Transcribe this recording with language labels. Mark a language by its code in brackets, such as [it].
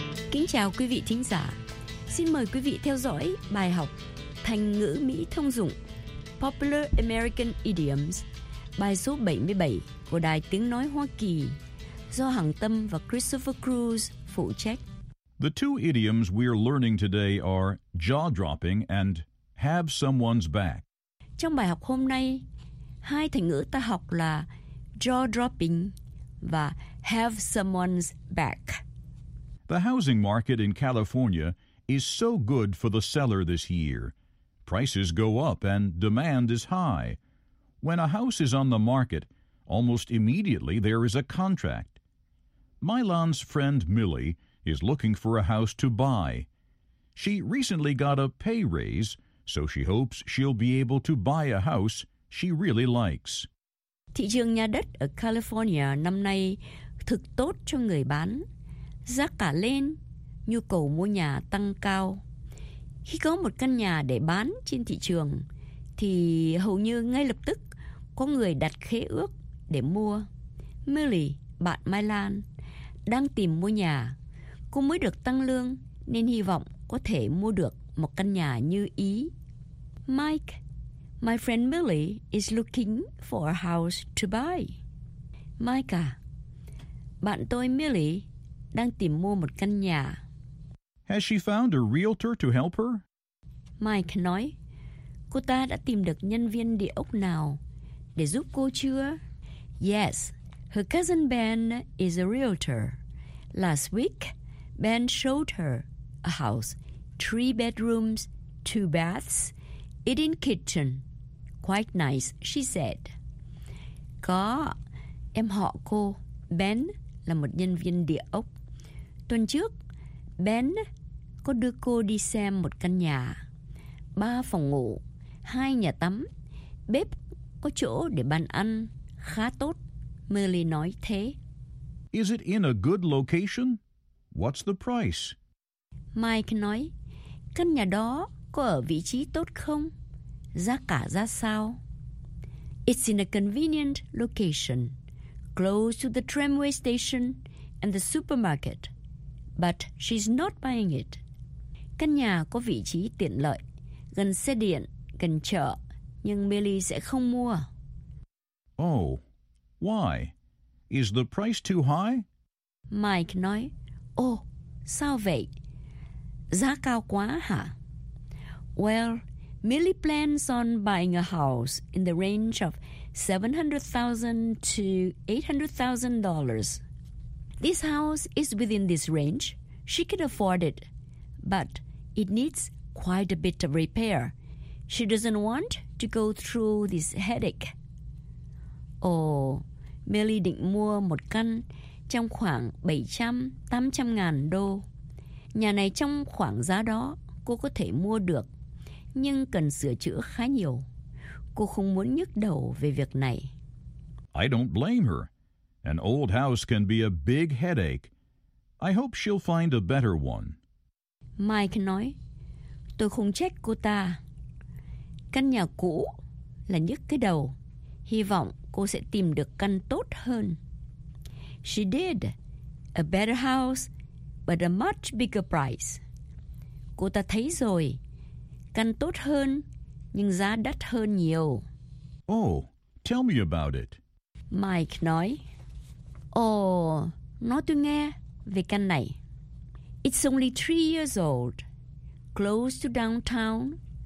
[vi] Kính chào quý vị thính giả. Xin mời quý vị theo dõi bài học thành ngữ Mỹ thông dụng Popular American Idioms, bài số 77 của Đài Tiếng Nói Hoa Kỳ, do Hằng Tâm và Christopher Cruz phụ trách. [en] The two idioms we are learning today are jaw-dropping and have someone's back. [vi] Trong bài học hôm nay, hai thành ngữ ta học là jaw-dropping và have someone's back. [en] The housing market in California is so good for the seller this year. Prices go up and demand is high. When a house is on the market, almost immediately there is a contract. Milan's friend Millie is looking for a house to buy. She recently got a pay raise, so she hopes she'll be able to buy a house she really likes. [vi] Thị trường nhà đất ở California năm nay thực tốt cho người bán. Giá cả lên, nhu cầu mua nhà tăng cao. Khi có một căn nhà để bán trên thị trường, thì hầu như ngay lập tức có người đặt khế ước để mua. Millie, bạn Milan, đang tìm mua nhà. Cô mới được tăng lương nên hy vọng có thể mua được một căn nhà như ý. [en] Mike, my friend Millie is looking for a house to buy. [vi] Mike à, bạn tôi Millie đang tìm mua một căn nhà. [en] Has she found a realtor to help her? [vi] Mike nói, cô ta đã tìm được nhân viên địa ốc nào để giúp cô chưa? [en] Yes, her cousin Ben is a realtor. Last week, Ben showed her a house, 3 bedrooms, 2 baths, eating kitchen. Quite nice, she said. [vi] Có, em họ cô, Ben, là một nhân viên địa ốc. Tuần trước, Ben có đưa cô đi xem một căn nhà. 3 phòng ngủ, 2 nhà tắm, bếp có chỗ để bàn ăn, khá tốt, Millie nói thế. [en] Is it in a good location? What's the price? [vi] Mike nói, căn nhà đó có ở vị trí tốt không? Giá cả ra sao? [en] It's in a convenient location, close to the tramway station and the supermarket. But she's not buying it. [vi] Căn nhà có vị trí tiện lợi, gần xe điện, gần chợ, nhưng Millie sẽ không mua. [en] Oh, why? Is the price too high? [vi] Mike nói, oh, sao vậy? Giá cao quá hả? [en] Well, Millie plans on buying a house in the range of $700,000 to $800,000. This house is within this range. She can afford it, but it needs quite a bit of repair. She doesn't want to go through this headache. [vi] Oh, Millie định mua một căn trong khoảng 700,000 to 800,000 đô. Nhà này trong khoảng giá đó cô có thể mua được, nhưng cần sửa chữa khá nhiều. Cô không muốn nhức đầu về việc này. [en] I don't blame her. An old house can be a big headache. I hope she'll find a better one. [vi] Mike nói, tôi không trách cô ta. Căn nhà cũ là nhức cái đầu. Hy vọng cô sẽ tìm được căn tốt hơn. [en] She did. A better house, but a much bigger price. [vi] cô ta thấy rồi. Căn tốt hơn, nhưng giá đắt hơn nhiều. [en] Oh, tell me about it. [vi] Mike nói. Oh, nói tôi nghe về căn này. [en] It's only 3 years old. Close to downtown.